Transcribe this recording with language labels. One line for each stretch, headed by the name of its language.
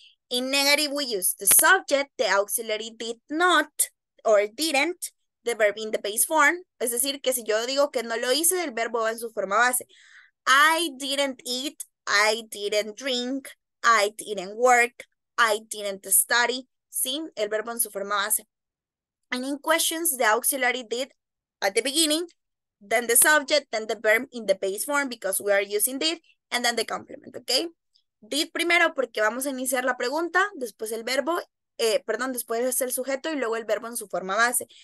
English: In negative, we use the subject, the auxiliary did not, or didn't, the verb in the base form.
Spanish: Es decir, que si yo digo que no lo hice, el verbo va en su forma base.
English: I didn't eat, I didn't drink, I didn't work, I didn't study.
Spanish: Sí, el verbo en su forma base.
English: And in questions, the auxiliary did at the beginning, then the subject, then the verb in the base form because we are using did, and then the complement, okay?
Spanish: Did primero porque vamos a iniciar la pregunta, después el verbo, perdón, después es el sujeto y luego el verbo en su forma base.